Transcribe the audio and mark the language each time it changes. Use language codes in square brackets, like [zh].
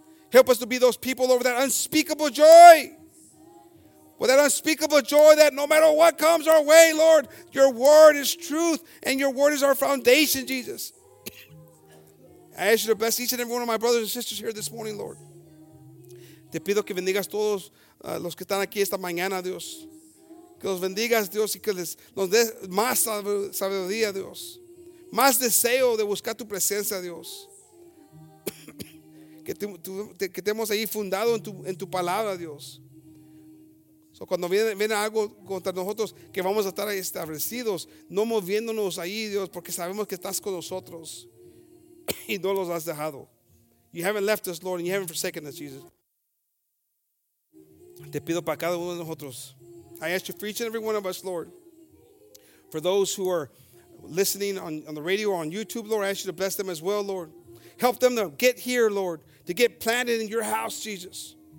[en] Help us to be those people, Lord, with that unspeakable joy. With that unspeakable joy that no matter what comes our way, Lord, your word is truth and your word is our foundation, Jesus. I ask you to bless each and every one of my brothers and sisters here this morning, Lord. [es] Te pido que bendigas todos los que están aquí esta mañana, Dios. Que los bendigas, Dios, y que les nos des más sabiduría, Dios. Más deseo de buscar tu presencia, Dios. que estemos ahí fundado en tu palabra, Dios. So, cuando viene algo contra nosotros, que vamos a estar establecidos, no moviéndonos ahí, Dios, porque sabemos que estás con nosotros y no los has dejado. [en] You haven't left us, Lord, and you haven't forsaken us, Jesus. [es] Te pido para cada uno de nosotros. [en] I ask you for each and every one of us, Lord. For those who are listening on the radio or on YouTube, Lord, I ask you to bless them as well, Lord. Help them to get here, Lord, to get planted in your house, Jesus.